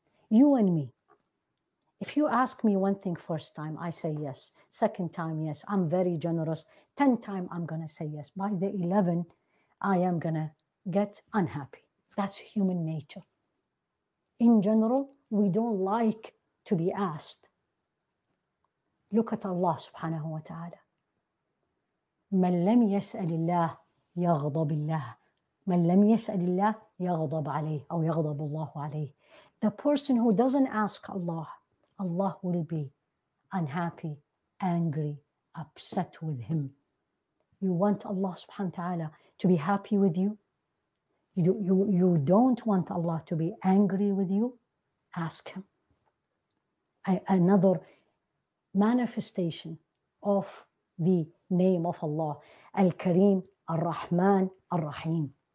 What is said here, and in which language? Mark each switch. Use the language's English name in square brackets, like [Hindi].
[English] You and me, if you ask me one thing first time, I say yes. Second time, yes. I'm very generous. 10 times, I'm going to say yes. By the 11th, I am going to get unhappy. That's human nature. In general, we don't like to be asked. Look at Allah subhanahu wa ta'ala. [Arabic] مَنْ لَمْ يَسْأَلِ اللَّهِ يَغْضَبِ اللَّهِ مَنْ لَمْ يَسْأَلِ اللَّهِ يَغْضَبْ عَلَيْهِ أَوْ يَغْضَبُ اللَّهُ عَلَيْهِ [English] The person who doesn't ask Allah, Allah will be unhappy, angry, upset with him. You want Allah subhanahu wa ta'ala to be happy with you? You don't want Allah to be angry with you, ask Him. Another manifestation of the name of Allah, Al-Kareem, Ar-Rahman, Ar-Rahim.